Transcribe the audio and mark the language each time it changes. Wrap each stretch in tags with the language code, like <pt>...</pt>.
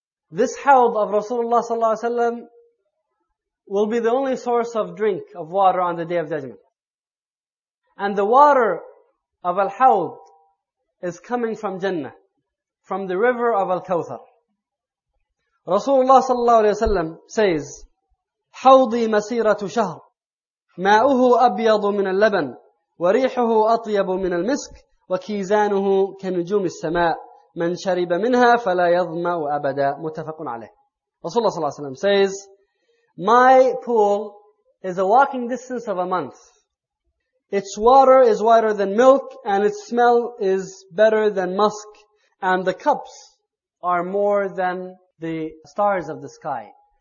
<en>This Hawd of Rasulullah sallallahu alayhi wa sallam will be the only source of drink of water on the Day of Judgment. And the water of Al-Hawd is coming from Jannah, from the river of Al-Kawthar.</en> <ar>Rasulullah sallallahu alayhi wa sallam says, حوضي مسيرة شهر ماؤه أبيض من اللبن وريحه أطيب من المسك وكيزانه كنجوم السماء من شرب منها فلا يظمأ أبدا متفق عليه.</ar> <en>Rasulullah sallallahu alayhi wa sallam says, my pool is a walking distance of a month. Its water is whiter than milk, and its smell is better than musk, and the cups are more than the stars of the sky.</en>